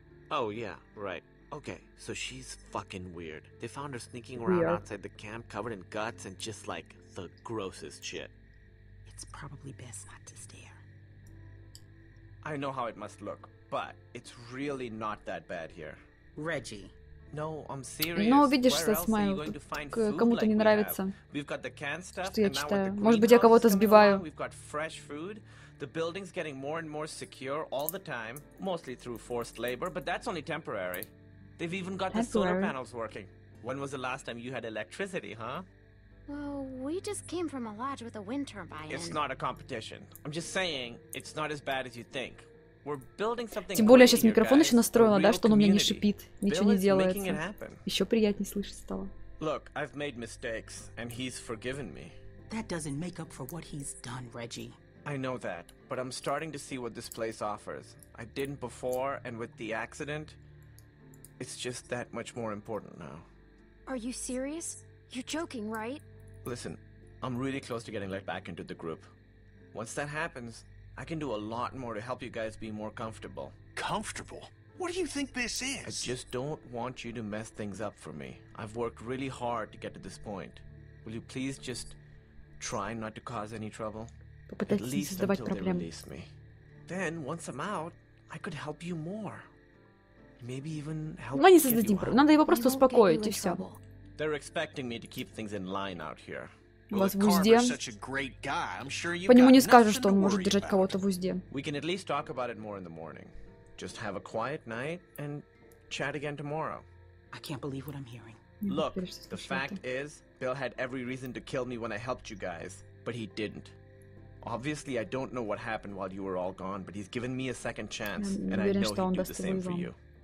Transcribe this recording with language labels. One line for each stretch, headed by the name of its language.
English: Oh yeah, right. Okay, so she's fucking weird. They found her sneaking around outside the camp, covered in guts and just like the grossest shit. It's probably best not to stare. I know how it must look, but it's really not that bad here. Reggie. No, I'm serious.
Russian: Но видишь, со смайл, кому-то не нравится, что я читаю. Может быть, я кого-то сбиваю.
English: Temporary. They've even got the solar panels working. When was the last time you had electricity, huh? Well, we just came from a lodge with a wind turbine. It's not a competition. I'm just saying, it's not as bad as you think. We're building something.
Russian: Тем более сейчас микрофон еще настроила, да, что он у меня не шипит, ничего не делается. Еще приятнее слышать стало.
English: Look, I've made mistakes, and he's forgiven me. That doesn't make up for what he's done, Reggie. I know that, but I'm starting to see what this place offers. I didn't before, and with the accident, it's just that much more important now. Are you serious? You're joking, right? Listen, I'm really close to getting let back into the group. Once that happens. I can do a lot more to help you guys be more comfortable. Comfortable? What do you think this is? I just don't want you to mess things up for me. I've worked really hard to get to this point. Will you please just try not to cause any trouble?
Russian: Попытайтесь
English: At least
Russian: не создавать
English: until
Russian: проблем.
English: They release me. Then, once I'm out, I could help you more. Maybe even help
Russian: Мы не создадим проблем. Надо его просто успокоить, и все.
English: They're expecting me to keep things in line out here.
Russian: Вас в узде. По нему не скажешь, что он может держать кого-то в узде.
English: We can at least talk about it more in the morning. Just have a quiet night and chat again tomorrow. I can't believe what I'm hearing. Look, the fact is, Bill had every reason to kill me when I helped you guys, but he didn't. Obviously, I don't know what happened while you were all gone, but he's given me a second chance, and I know he'd do the same for you.